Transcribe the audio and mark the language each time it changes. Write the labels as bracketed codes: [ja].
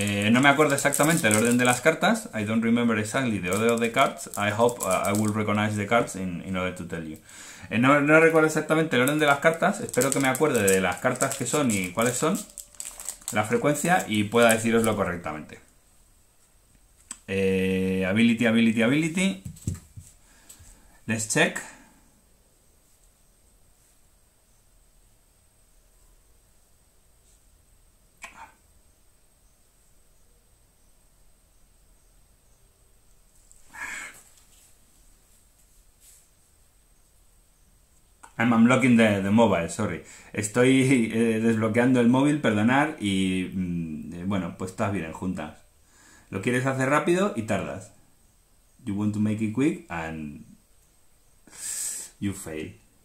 [es] No me acuerdo exactamente el orden de las cartas. [en] I don't remember exactly the order of the cards. I hope I will recognize the cards in order to tell you. [es] No recuerdo exactamente el orden de las cartas. Espero que me acuerde de las cartas que son y cuáles son la frecuencia y pueda deciroslo correctamente. [en] Ability. Let's check. I'm unblocking the mobile, sorry. [es] Estoy desbloqueando el móvil, perdonar, y bueno, pues estás bien, juntas. Lo quieres hacer rápido y tardas. [en] You want to make it quick and you fail.